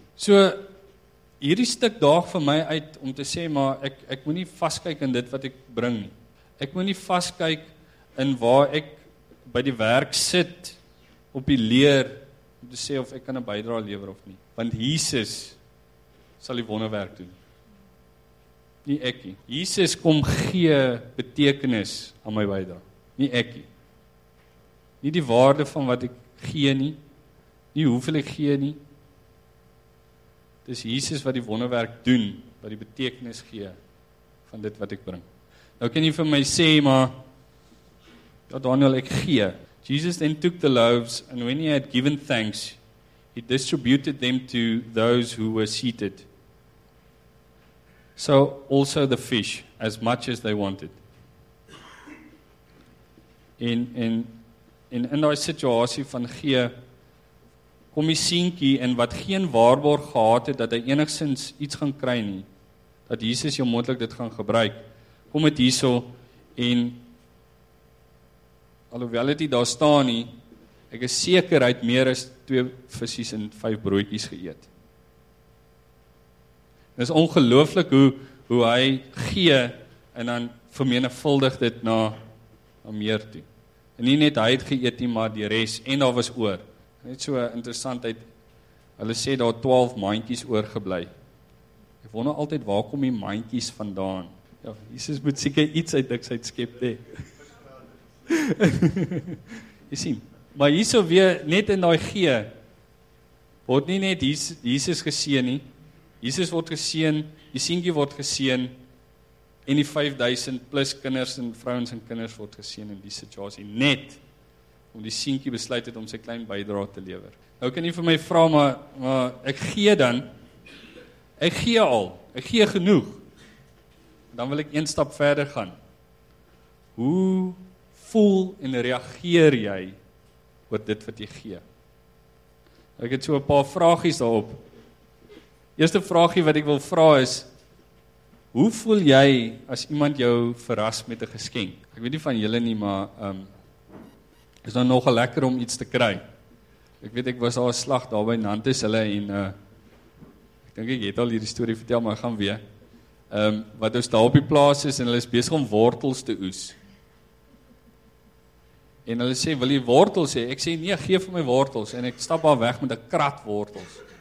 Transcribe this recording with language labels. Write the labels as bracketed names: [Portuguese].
[Afrikaans] So, hierdie stuk daag vir my uit om te sê, maar ek moet nie vaskyk in dit wat ek bring nie. Ek moet nie vaskyk in waar ek by die werk sit op die leer om te sê of ek kan 'n bydra lewer of nie. Want Jesus sal die wonderwerk doen. Nie ek nie. Jesus kom gee betekenis aan my bydra. Nie ek nie. Nie die waarde van wat ek gee nie. Nie hoeveel ek gee nie. Dis Jesus wat die wonderwerk doen, wat die betekenis gee van dit wat ek bring. Nou kan jy vir my sê, maar ja Daniel, ek gee. [English] Jesus then took the loaves, and when he had given thanks, he distributed them to those who were seated. So also the fish, as much as they wanted. [Afrikaans] In daai situasie van gee, kom die seentjie en wat geen waarborg gehad het dat hy enigszins iets gaan kry nie, dat Jesus jou moontlik dit gaan gebruik, kom het hierso en alhoewel het hy daar staan nie, ek is seker hy het meer as 2 vissies en 5 broodjies geëet. Dit is ongelooflik hoe hy gee en dan vermenigvuldig dit na meer toe. En nie net hy het geëet nie, maar die res en daar was oor. Net so interessantheid, hulle sê daar 12 mandjies oorgebly. Ek wonder altyd waar kom die mandjies vandaan. Ja, Jesus moet seker iets uit niks uitskep, hè. Jy sien, maar hierso weer net in daai gee word nie net Jesus geseën nie. Jesus word geseën, die seentjie word geseën en die 5000 plus kinders en vrouens en kinders word geseën in die situasie net om die seentjie besluit het om sy klein bydrae te lewer. Nou kan jy vir my vra, maar ek gee dan. Ek gee al. Ek gee genoeg. Dan wil ek een stap verder gaan. Hoe voel en reageer jy oor dit wat jy gee? Ek het so 'n paar vragies daarop. Eerste vragie wat ek wil vra is, hoe voel jy as iemand jou verras met 'n geskenk? Ek weet nie van julle nie, maar is dan nogal lekker om iets te kry. Ek weet ek was al 'n slag daar by Nantes hulle en ek dink ek het al hierdie storie vertel, maar ek gaan weer. Wat ons daar op die plaas is en hulle is besig om wortels te oes. En hulle sê, wil jy wortels hê? Ek sê, nee, gee vir my wortels. En ek stap daar weg met 'n krat wortels.